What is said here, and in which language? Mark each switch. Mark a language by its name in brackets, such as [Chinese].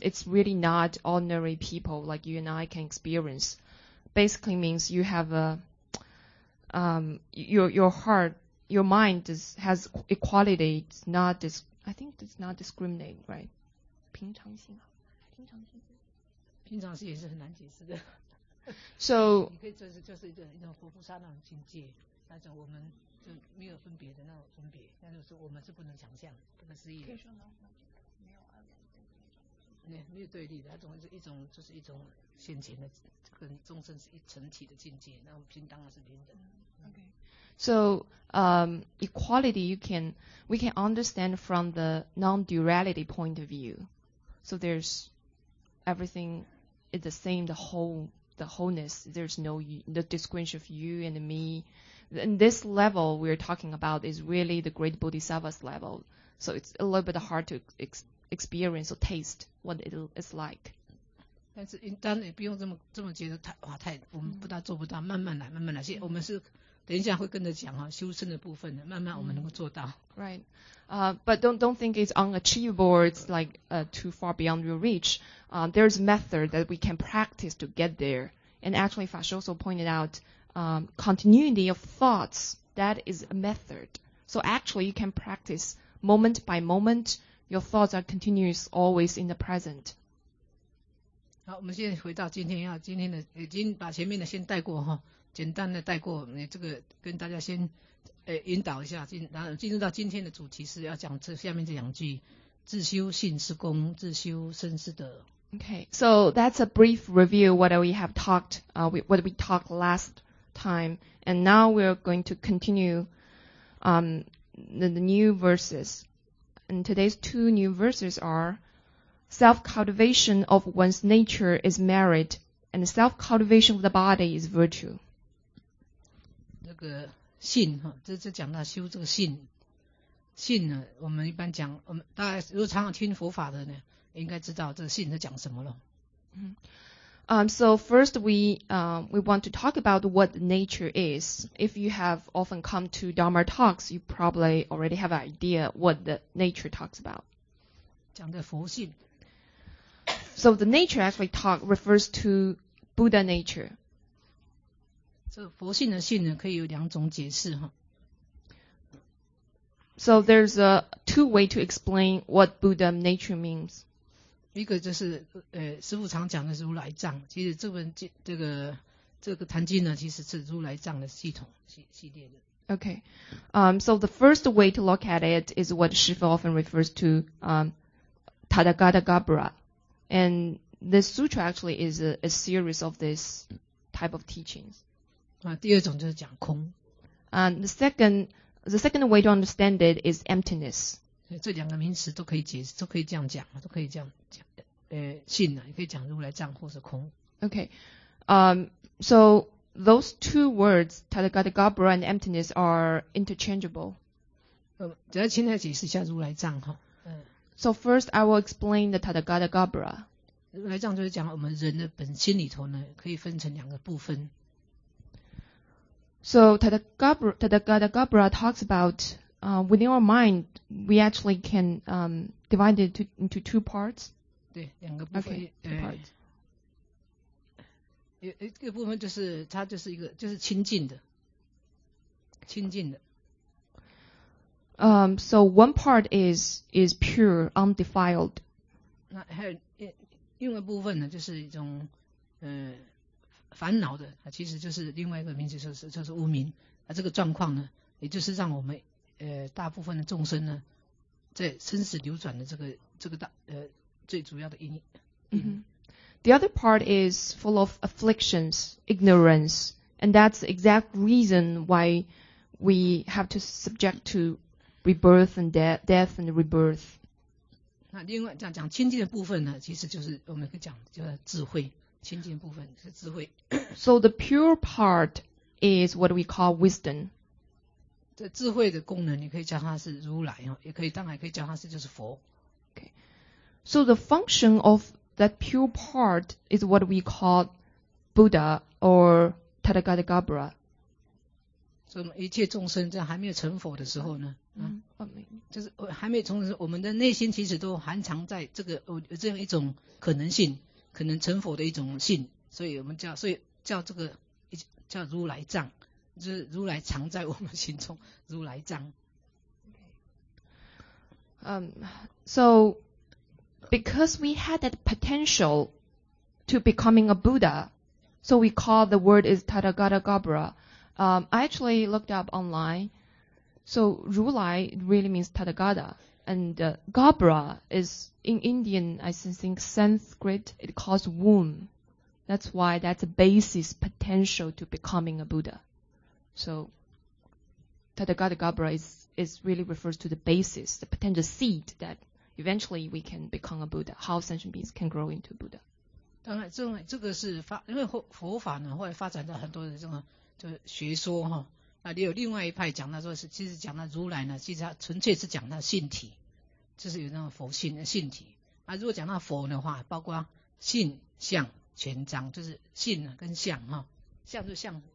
[English] It's really not ordinary people like you and I can experience. Basically means you have a, your heart, your mind has equality. It's not dis, I think it's not discriminate, right? [Chinese] 平常心啊，平常心。平常心也是很难解释的。 [English] So, [Chinese] 你可以说是就是一种活菩萨那种境界，那种我们就没有分别的那种分别，那就是我们是不能想象、不能思议的。可以说呢，没有对立的，那种是一种就是一种现前的跟众生是一整体的境界，那我们平当然是平等。 [English] So, equality, we can understand from the non-duality point of view. So there's everything. It's the same, the wholeness. There's no distinction of you and me. And this level we're talking about is really the great Bodhisattva's level. So it's a little bit hard to experience or taste what it's like. [Chinese] 但是当然不用这么觉得太我们不大做不到，慢慢来，慢慢来。我们是等一下会跟着讲啊，修身的部分的，慢慢我们能够做到。 [English] Right. But don't think it's unachievable or it's like too far beyond your reach. There's method that we can practice to get there. And actually, Fa Shi also pointed out continuity of thoughts, that is a method. So actually, you can practice moment by moment. Your thoughts are continuous, always in the present. [Chinese] 好，我们现在回到今天的，已经把前面的先带过哈，简单的带过，这个跟大家先引导一下，然后进入到今天的主题是要讲这下面这两句，自修性是功，自修身是德。 [English] Okay, so that's a brief review what we have talked, what we talked last time, and now we're going to continue, the new verses. And today's two new verses are self-cultivation of one's nature is merit, and self-cultivation of the body is virtue. [Chinese] 这个信哈，这讲到修这个信呢，我们一般讲，我们大家如果常常听佛法的呢。应该知道这信是讲什么了。 [English] So first we want to talk about what nature is. If you have often come to Dharma talks, you probably already have an idea what the nature talks about. [Chinese] 讲的佛性。 [English] So the nature actually refers to Buddha nature. [Chinese] 这佛性的性呢，可以有两种解释哈。 [English] So there's two way to explain what Buddha nature means. [Chinese] 一个就是师父常讲的是如来藏，其实这个坛经呢其实是如来藏的系统系列的。 [English] Okay, so the first way to look at it is what 师父 often refers to, Tathagatagarbha. And this sutra actually is a series of this type of teachings. [Chinese] 第二种就是讲空。 [English] The second way to understand it is emptiness. [Chinese] 这两个名词都可以解释，都可以这样讲，都可以这样讲。性啊，也可以讲如来藏或是空。 [English] Okay, so those two words, Tathagatagarbha and emptiness, are interchangeable. [Chinese] 只要现在解释一下如来藏哈。 [English] So first, I will explain the Tathagatagarbha. [Chinese] 如来藏就是讲我们人的本心里头呢，可以分成两个部分。 [English] So Tathagatagarbha talks about. Within our mind, we actually can divide it into two parts. [Chinese] 对，两个部分。 [English] Okay, two parts. [Chinese] 一个部分就是它就是一个就是清净的。 [English] So one part is pure, undefiled. [Chinese] 那还有另外一部分呢，就是一种烦恼的，其实就是另外一个名词，就是无明。那这个状况呢，也就是让我们大部分的众生呢，在生死流转的这个大最主要的因。 [English] The other part is full of afflictions, ignorance, and that's the exact reason why we have to subject to rebirth and death and rebirth. [Chinese] 那另外讲清净的部分呢，其实就是我们可以讲叫智慧，清净部分是智慧。 [English] So the pure part is what we call wisdom. [Chinese] 这智慧的功能，你可以叫它是如来，也可以，当然可以叫它是就是佛。 [English] Okay. So the function of that pure part is what we call Buddha or Tathagata Gabbara. [Chinese] 所以一切众生在还没有成佛的时候呢，就是还没有成佛的时候，我们的内心其实都含藏在这个这样一种可能性，可能成佛的一种性，所以我们叫，所以叫这个叫如来藏。就是如来藏在我们心中，如来藏。 [English] So because we had that potential to becoming a Buddha, so we call the word is Tathagata Gabbara. I actually looked up online. So Ru Lai really means Tathagata, and Gabbara is in Indian, I think Sanskrit, it calls womb. That's why that's a basis potential to becoming a Buddha. So, Tathagata Gabbara is really refers to the basis, the potential seed that eventually we can become a Buddha. How sentient beings can grow into Buddha? [Chinese] 当然，这个是发，因为佛法呢，后来发展到很多的这种就学说哈。那也有另外一派讲到说是，其实讲到如来呢，其实它纯粹是讲到性体，就是有那种佛性的性体。那如果讲到佛的话，包括性相全章，就是性跟相哈，相就相。